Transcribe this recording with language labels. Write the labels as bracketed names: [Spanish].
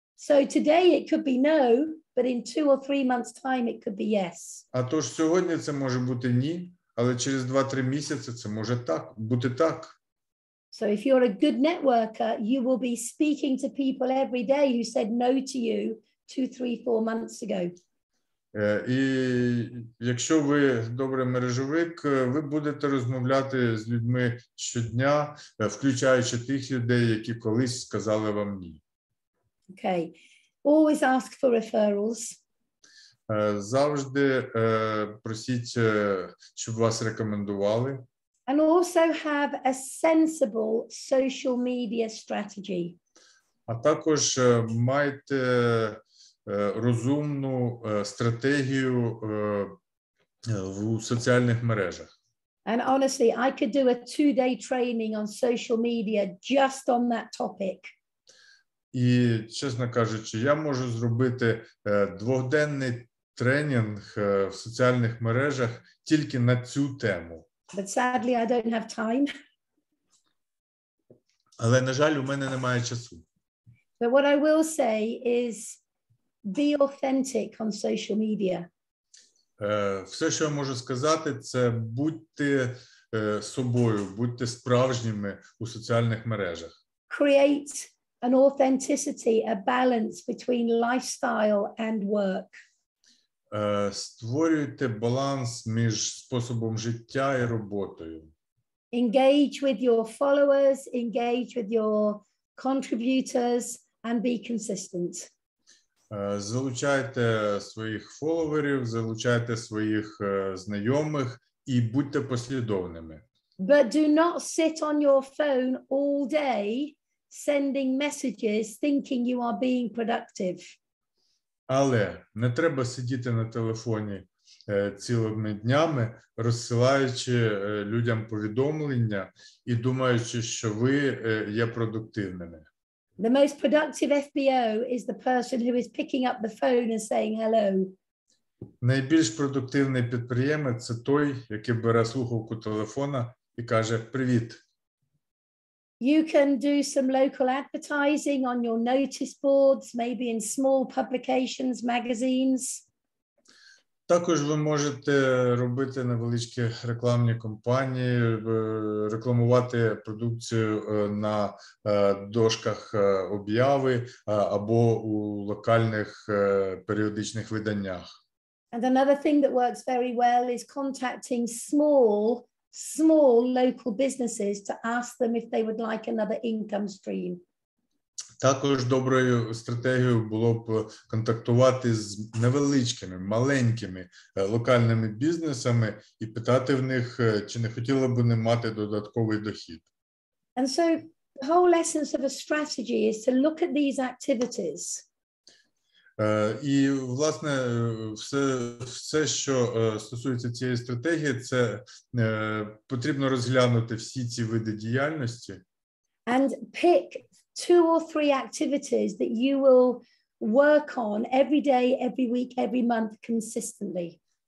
[English] So today it could be no, but in two or three months' time it could be yes. [Ukrainian] А тож сьогодні це може бути ні, але через 2-3 місяці це може так бути так. [English] So if you're a good networker, you will be speaking to people every day who said no to you 2-3-4 months ago. [Ukrainian] І якщо ви добрий мережовик, ви будете розмовляти з людьми щодня, включаючи тих людей, які колись сказали вам ні. [English] Okay. Always ask for referrals. [Ukrainian] Завжди просіть, щоб вас рекомендували. [English] And also have a sensible social media strategy. [Ukrainian] А також майте розумну стратегію в соціальних мережах. [English] And honestly, I could do a 2-day training on social media just on that topic. [Ukrainian] І, чесно кажучи, я можу зробити дводенний тренінг в соціальних мережах тільки на цю тему. [English] But sadly, I don't have time. [Ukrainian] Але, на жаль, у мене немає часу. [English] But what I will say is, be authentic on social media. [Ukrainian] Все, що я можу сказати, це будьте собою, будьте справжніми у соціальних мережах. [English] Create an authenticity, a balance between lifestyle and work. [Ukrainian] Створюйте баланс між способом життя і роботою. [English] Engage with your followers, engage with your contributors and be consistent. [Ukrainian] Залучайте своїх фоловерів, залучайте своїх знайомих і будьте послідовними. [English] But do not sit on your phone all day sending messages thinking you are being productive. [Ukrainian] Але не треба сидіти на телефоні цілими днями, розсилаючи людям повідомлення і думаючи, що ви є продуктивними. [English] The most productive FBO is the person who is picking up the phone and saying hello. [Ukrainian] Найбільш продуктивний підприємець – це той, який бере слухавку телефона і каже: "Привіт". [English] You can do some local advertising on your notice boards, maybe in small publications, magazines. [Ukrainian] Також ви можете робити невеличкі рекламні кампанії, рекламувати продукцію на дошках об'яви або у локальних періодичних виданнях. [English] And another thing that works very well is contacting small local businesses to ask them if they would like another income stream. [Ukrainian] Також доброю стратегією було б контактувати з невеличкими, маленькими локальними бізнесами і питати в них, чи не хотіли б вони мати додатковий дохід. [English] And so the whole essence of a strategy is to look at these activities. [Ukrainian] І, власне, все, що стосується цієї стратегії, це потрібно розглянути всі ці види діяльності. [English] And pick two or three activities that you will work on every day, every week, every month consistently.